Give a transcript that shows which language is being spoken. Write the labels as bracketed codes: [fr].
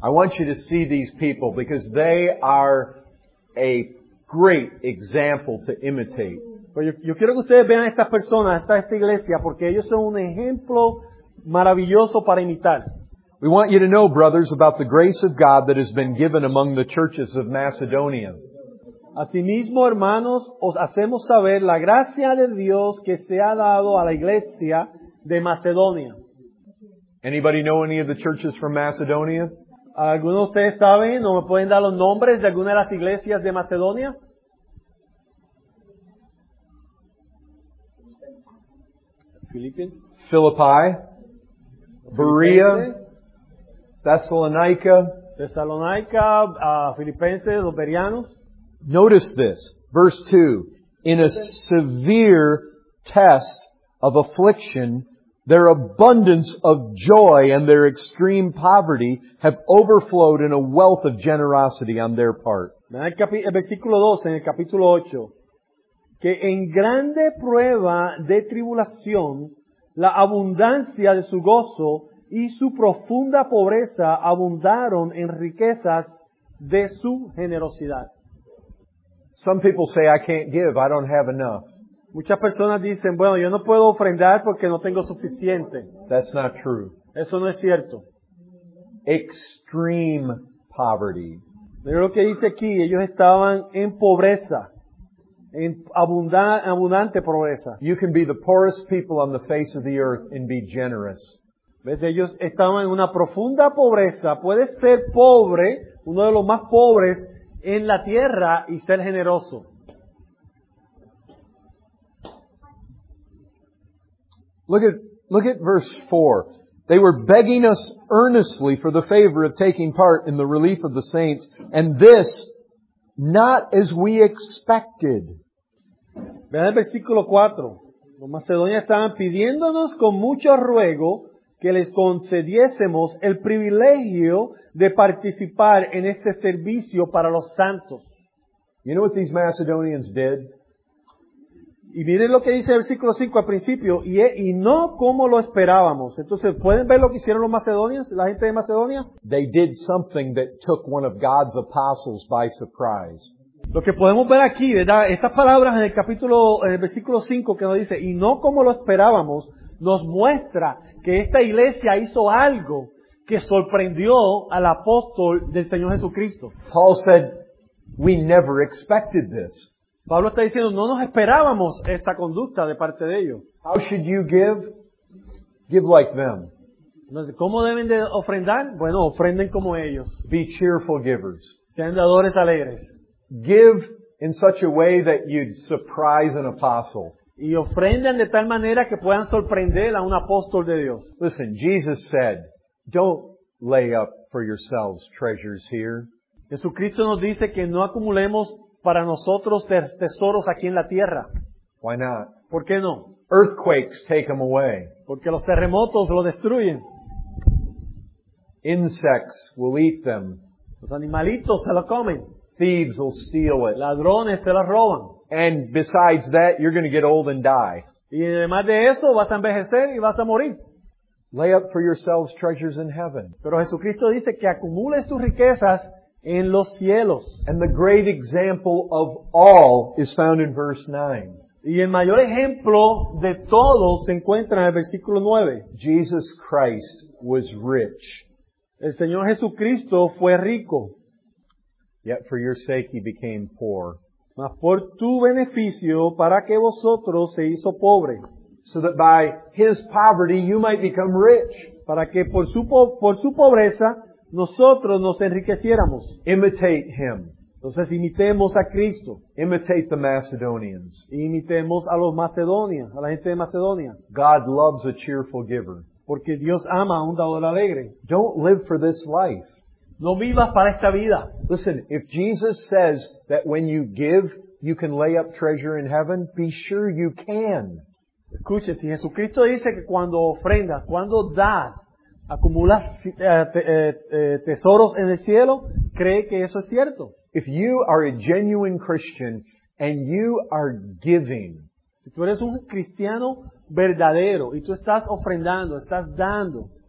[en] I want you to see these people because they are a great example to imitate. [es] Yo quiero que ustedes vean a estas personas, a esta iglesia, porque ellos son un ejemplo maravilloso para imitar. [en] We want you to know, brothers, about the grace of God that has been given among the churches of Macedonia. [es] Asimismo, hermanos, os hacemos saber la gracia de Dios que se ha dado a la iglesia de Macedonia. [en] Anybody know any of the churches from Macedonia? [es] ¿Alguno de ustedes saben o me pueden dar los nombres de alguna de las iglesias de Macedonia? [en] Philippi, Berea, Thessalonica. [es] Thessalonica, Filipenses, los Berianos. [en] Notice this, verse 2. In a severe test of affliction, their abundance of joy and their extreme poverty have overflowed in a wealth of generosity on their part. [es] En el versículo 2, en el capítulo 8, que en grande prueba de tribulación, la abundancia de su gozo y su profunda pobreza abundaron en riquezas de su generosidad. [en] Some people say, I can't give, I don't have enough. [es] Muchas personas dicen, bueno, yo no puedo ofrendar porque no tengo suficiente. [en] That's not true. [es] Eso no es cierto. [en] Extreme poverty. [es] Pero lo que dice aquí, ellos estaban en pobreza. En abundante pobreza. [en] You can be the poorest people on the face of the earth and be generous. [es] ¿Ves? Ellos estaban en una profunda pobreza. Puedes ser pobre, uno de los más pobres en la tierra y ser generoso. [en] Look at verse 4. They were begging us earnestly for the favor of taking part in the relief of the saints, and this not as we expected. [es] Vean el versículo 4. Los macedonios estaban pidiéndonos con mucho ruego que les concediésemos el privilegio de participar en este servicio para los santos. [en] You know what these Macedonians did? [es] Y miren lo que dice el versículo 5 al principio, y no como lo esperábamos. Entonces, ¿pueden ver lo que hicieron los macedonios, la gente de Macedonia? [en] They did something that took one of God's apostles by surprise. [es] Lo que podemos ver aquí, ¿verdad? Estas palabras en el capítulo, en el versículo 5 que nos dice, y no como lo esperábamos, nos muestra que esta iglesia hizo algo que sorprendió al apóstol del Señor Jesucristo. [en] Paul said, we never expected this. [es] Pablo está diciendo, no nos esperábamos esta conducta de parte de ellos. [en] How should you give? Give like them. [es] Entonces, ¿cómo deben de ofrendar? Bueno, ofrenden como ellos. [en] Be cheerful givers. [es] Sean dadores alegres. [en] Give in such a way that you'd surprise an apostle. [es] Y ofrendan de tal manera que puedan sorprender a un apóstol de Dios. [en] Listen, Jesus said, don't lay up for yourselves treasures here. [es] Jesucristo nos dice que no acumulemos para nosotros tesoros aquí en la tierra. [en] Why not? [es] ¿Por qué no? [en] Earthquakes take them away. [es] Porque los terremotos los destruyen. [en] Insects will eat them. [es] Los animalitos se los comen. [en] Thieves will steal it. [es] Ladrones se los roban. [en] And besides that, you're going to get old and die. [es] Y además de eso, vas a envejecer y vas a morir. [en] Lay up for yourselves treasures in heaven. [es] Pero Jesucristo dice que acumules tus riquezas en los cielos. [en] And the great example of all is found in verse 9. [es] Y el mayor ejemplo de todos se encuentra en el versículo 9. [en] Jesus Christ was rich. [es] El Señor Jesucristo fue rico. [en] Yet for your sake he became poor. [es] Mas por tu beneficio, para que vosotros se hizo pobre. [en] So that by his poverty you might become rich. [es] Para que por su pobreza nosotros nos enriqueciéramos. [en] Imitate him. [es] Entonces imitemos a Cristo. [en] Imitate the Macedonians. [es] Imitemos a los macedonios, a la gente de Macedonia. [en] God loves a cheerful giver. [es] Porque Dios ama a un dador alegre. [en] Don't live for this life. [es] No vivas para esta vida. [en] Listen, if Jesus says that when you give, you can lay up treasure in heaven, be sure you can. [es] Escuche, si Jesucristo dice que cuando ofrendas, cuando das, acumulas tesoros en el cielo, cree que eso es cierto. [en] If you are a genuine Christian and you are giving, [es] si tú eres un cristiano verdadero y tú estás ofrendando, estás dando,